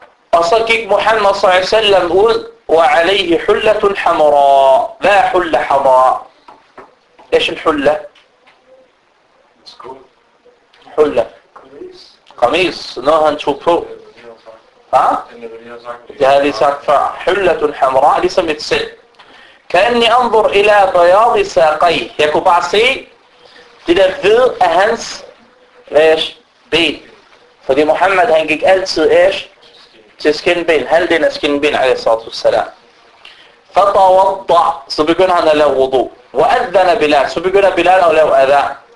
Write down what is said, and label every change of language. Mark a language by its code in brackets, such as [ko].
[da] Og så gik Muhammad [ar] sallallahu alaihi wasallam [da] ud, og [ar] alaihi hullatun hamra. [da] Hvad er hulla hamra? Ish en hulla? Hulla. Kamis, når han tog på. Ha? Det har vi sagt før. [ar] Hullatun hamra, [da] ligesom et selv. [ar] كأني أنظر إلى بياض ساقيه. [da] Jeg kunne bare se det der hvid af hans ben. Fordi Muhammad, han gik altid til skinben. Halvdelen af skinben, [ar] alaihi salatu wassalam. فتوضأ. [da] Så begynder han at lave wudu. [ar] وأذن بلال. [da] Så begynder Bilal at lave adhan.